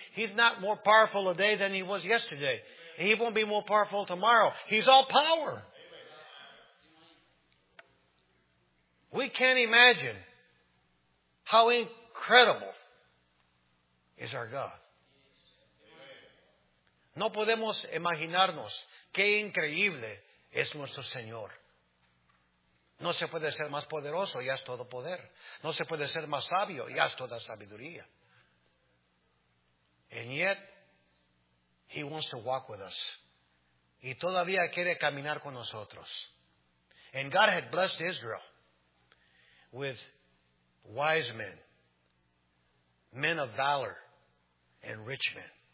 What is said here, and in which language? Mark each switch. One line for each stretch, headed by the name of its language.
English: He's not more powerful today than he was yesterday. He won't be more powerful tomorrow. He's all power. We can't imagine how incredible is our God.
Spanish: No podemos imaginarnos qué increíble es nuestro Señor. No se puede ser más poderoso, ya es todo poder. No se puede ser más sabio, ya es toda sabiduría.
English: And yet, He wants to walk with us.
Spanish: Y todavía quiere caminar con nosotros.
English: And God had blessed Israel with wise men, men of valor, and rich men.